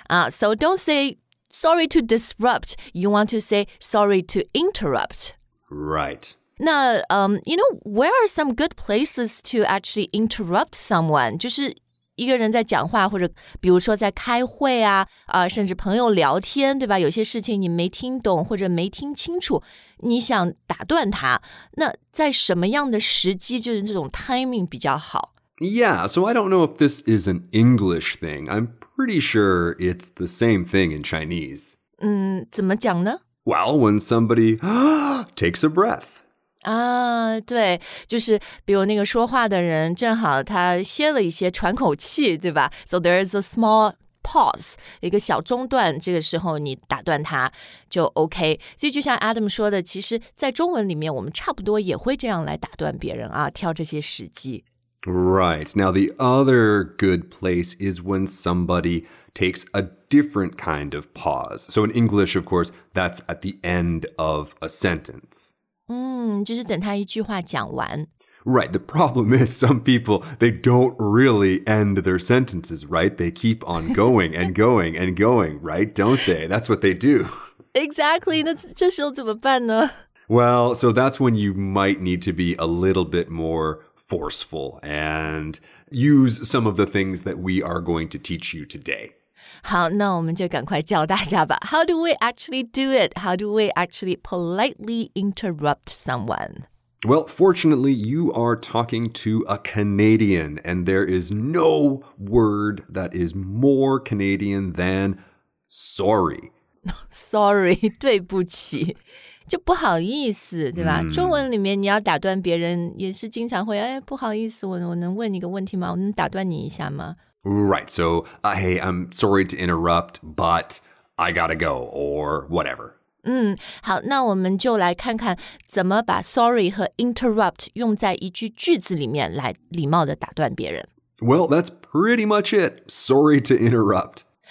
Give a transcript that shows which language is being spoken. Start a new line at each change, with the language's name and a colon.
English: So don't saySorry to disrupt, you want to say sorry to interrupt. Right. Now, you know, where are some good places to actually interrupt someone?
Chinese: 就是一个人在讲话或者比如说在开会啊、甚至朋友聊天，对吧？有些事情你没听懂或者没听清楚，你想打断他，那在什么样的时机就是这种 timing 比较好？
English: Yeah, so I don't know if this is an English thing. I'm pretty sure it's the same thing in Chinese.
Chinese: 怎么讲呢?
English: Well, when somebody takes a breath.
Chinese: 对,就是比如那个说话的人正好他歇了一些喘口气,对吧?
English: So there is a small pause,
Chinese: 一个小中断,这个时候你打断他就 OK. 所以就像 Adam 说的,其实在中文里面我们差不多也会这样来打断别人啊,挑这些时机。
English: Right. Now, the other good place is when somebody takes a different kind of pause. So in English, of course, that's at the end of a sentence.
Chinese: 就是等他一句话讲完。
English: Right. The problem is some people, they don't really end their sentences, right? They keep on going and going and going, right? Don't they? That's what they do. Exactly.
Chinese: 那这时候怎么办呢?
English: Well, so that's when you might need to be a little bit moreforceful and use some of the things that we are going to teach you today.
Chinese: 好，那我们就赶快教大家吧。
English: How do we actually do it? How do we actually politely interrupt someone? Well, fortunately, you are talking to a Canadian, and there is no word that is more Canadian than sorry.
Chinese: Sorry, 对不起。就不好意思，对吧？中文里面你要打断别人也是经常会，哎，不好意思，我能问你个问题吗？我能打断你一下吗？
English: Right, so, hey, I'm sorry to interrupt, but I gotta go, or whatever.
Chinese: 好，那我们就来看看怎么把 sorry 和 interrupt 用在一句句子里面来礼貌的打断别人。
English: Well, that's pretty much it, sorry to interrupt.